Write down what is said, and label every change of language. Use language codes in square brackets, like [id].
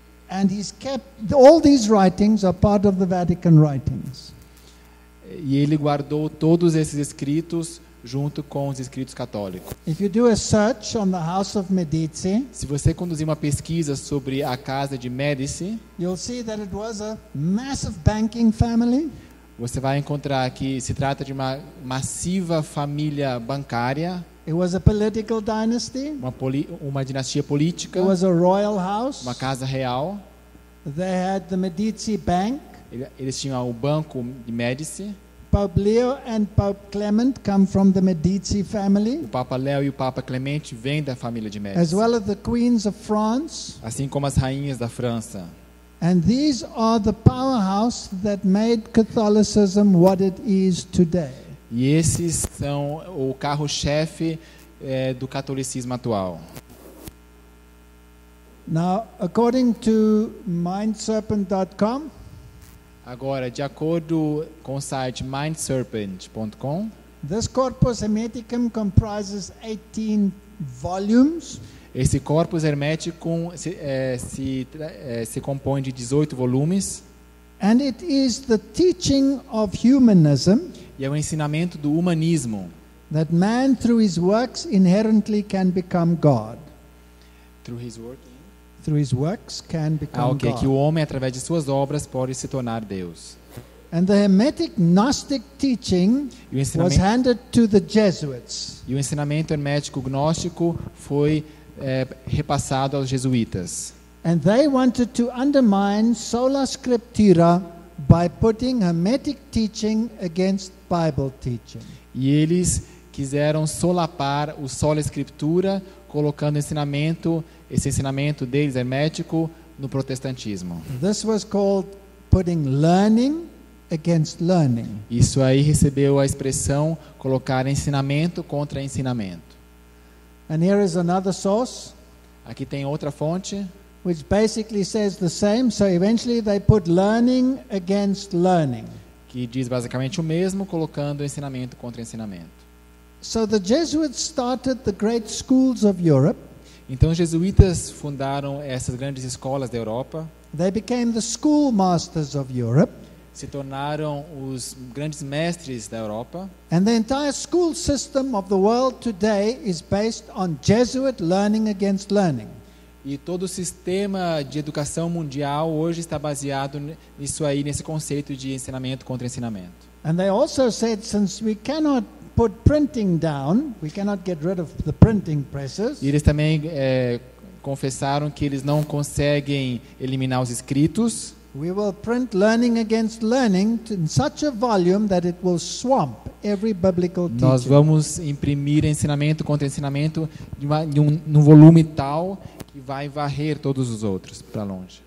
[en] And he's kept all these writings are part of the Vatican writings. [pt] E ele guardou todos esses escritos junto com os escritos católicos. [en] If you do a search on the House of Medici, [pt] se você conduzir uma pesquisa sobre a casa de Medici, [en] you'll see that it was a massive banking family. [pt] Você vai encontrar que se trata de uma massiva família bancária. [en] It was a political dynasty. [pt] Uma dinastia política. [en] It was a royal house. [pt] Uma casa real. [en] They had the Medici Bank. [pt] Eles tinham o Banco de Medici. [en] Pope Leo and Pope Clement come from the Medici family. [pt] O Papa Leo e o Papa Clemente vêm da família de Medici. [en] As well as the queens of France. [pt] Assim como as rainhas da França. [en] And these are the powerhouse that made Catholicism what it is today. [pt] E esses são o carro-chefe do catolicismo atual. [en] Now, according to mindserpent.com, [pt] agora, de acordo com o site mindserpent.com, [en] this corpus hermeticum comprises 18 volumes. [pt] Esse corpus hermético se compõe de 18 volumes. [en] And it is the teaching of humanism. [pt] E é o ensinamento do humanismo. [en] That man through his works inherently can become God. Through his work. Through his works can become God. [pt] Que o homem através de suas obras pode se tornar Deus. [en] And the hermetic gnostic teaching was handed to the Jesuits. [pt] E o ensinamento hermético gnóstico foi repassado aos jesuítas. [en] And they wanted to undermine sola scriptura by putting hermetic teaching against Bible teaching. [pt] E eles quiseram solapar o sola scriptura, colocando esse ensinamento deles hermético no protestantismo. [en] This was called putting learning against learning. [pt] Isso aí recebeu a expressão colocar ensinamento contra ensinamento. [en] And here is another source. [pt] Aqui tem outra fonte. [en] Which basically says the same, so eventually they put learning against learning. [pt] Que diz basicamente o mesmo, colocando ensinamento contra ensinamento. [en] So the Jesuits started the great schools of Europe. [pt] Então os jesuítas fundaram essas grandes escolas da Europa. [en] They became the schoolmasters of Europe. [pt] Se tornaram os grandes mestres da Europa. [en] And the entire school system of the world today is based on Jesuit learning against learning. [pt] E todo o sistema de educação mundial hoje está baseado nisso aí, nesse conceito de ensinamento contra ensinamento. [en] And they also said since we cannot put printing down, we cannot get rid of the printing presses. [pt] E eles também confessaram que eles não conseguem eliminar os escritos. [en] We will print learning against learning in such a volume that it will swamp every biblical teaching. [pt] Nós vamos imprimir ensinamento contra ensinamento num volume tal que vai varrer todos os outros para longe.